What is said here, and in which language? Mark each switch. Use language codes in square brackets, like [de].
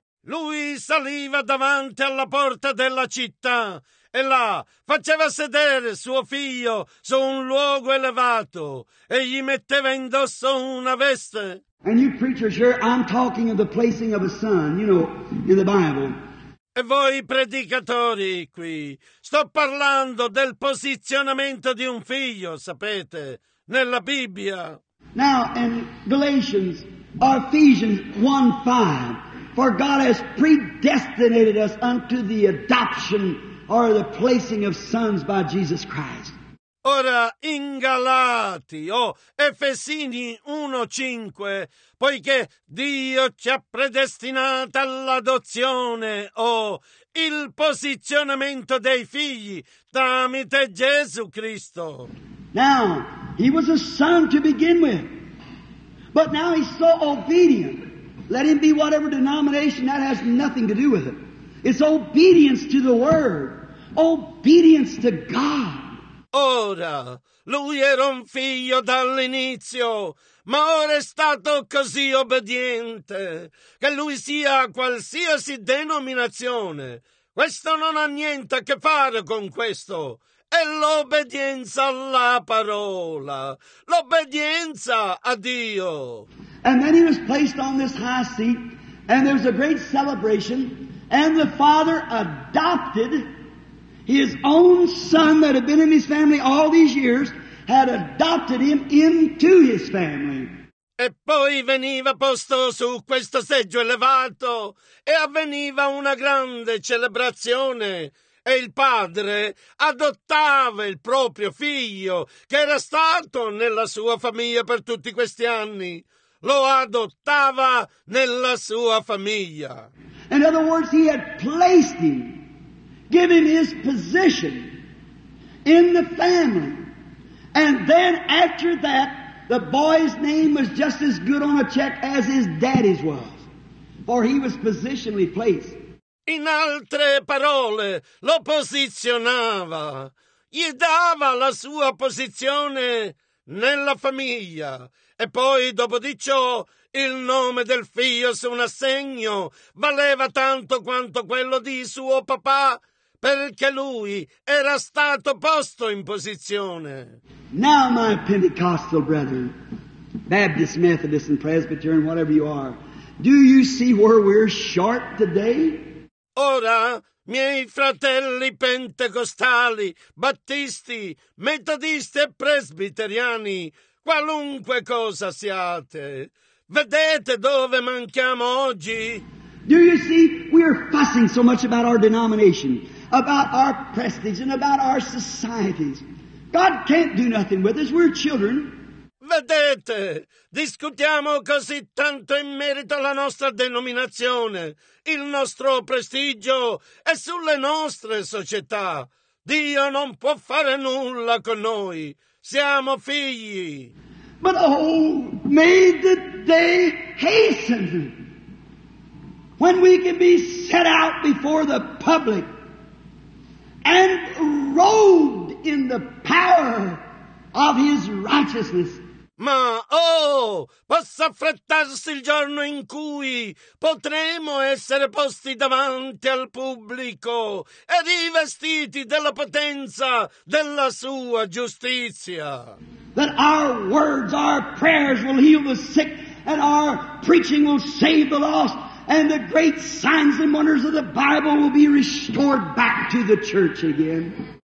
[it] Lui saliva davanti alla porta della città, e là faceva sedere suo figlio su un luogo elevato, e gli metteva indosso una veste. [en] And you preachers here, I'm talking of the placing of a son, you know, in the Bible. [it] E voi predicatori qui, sto parlando del posizionamento di un figlio, sapete, nella Bibbia. [en] Now, in Galatians, or Ephesians 1:5, for God has predestinated us unto the adoption or the placing of sons by Jesus Christ. [it] Ora, in Galati, Efesini 1:5, poiché Dio ci ha predestinata all'adozione, il posizionamento dei figli tramite Gesù Cristo. [en] Now, he was a son to begin with, but now he's so obedient. Let him be whatever denomination, that has nothing to do with it. It's obedience to the Word, obedience to God. [it] Ora, lui era un figlio dall'inizio, ma ora è stato così obbediente. Che lui sia qualsiasi denominazione, questo non ha niente a che fare con questo. È l'obbedienza alla parola, l'obbedienza a Dio. [en] And then he was placed on this high seat, and there was a great celebration, and the father adopted his own son that had been in his family all these years, had adopted him into his family. [it] E poi veniva posto su questo seggio elevato e avveniva una grande celebrazione e il padre adottava il proprio figlio che era stato nella sua famiglia per tutti questi anni. Lo adottava nella sua famiglia. [en] In other words, he had placed him, giving his position in the family. And then after that, the boy's name was just as good on a check as his daddy's was, for he was positionally placed. [it] In altre parole, lo posizionava, gli dava la sua posizione nella famiglia. E poi, dopo di ciò, il nome del figlio su un assegno valeva tanto quanto quello di suo papà, perché lui era stato posto in posizione. [en] Now, my Pentecostal brethren, Baptist, Methodist, and Presbyterian, whatever you are, do you see where we're short today? [it] Ora, miei fratelli pentecostali, battisti, metodisti e presbiteriani, qualunque cosa siate, vedete dove manchiamo oggi? [en] Do you see? We are fussing so much about our denomination, about our prestige, and about our societies. God can't do nothing with us. We're children. [it] Vedete, discutiamo così tanto in merito alla nostra denominazione, il nostro prestigio e sulle nostre società. Dio non può fare nulla con noi. Siamo figli. [en] But oh, may the day hasten when we can be set out before the public and robed in the power of His righteousness. [it] Ma, oh, possa affrettarsi il giorno in cui potremo essere posti davanti al pubblico e rivestiti della potenza della sua giustizia. [en] That our words, our prayers will heal the sick, and our preaching will save the lost, and the great signs and wonders of the Bible will be restored back to the church again.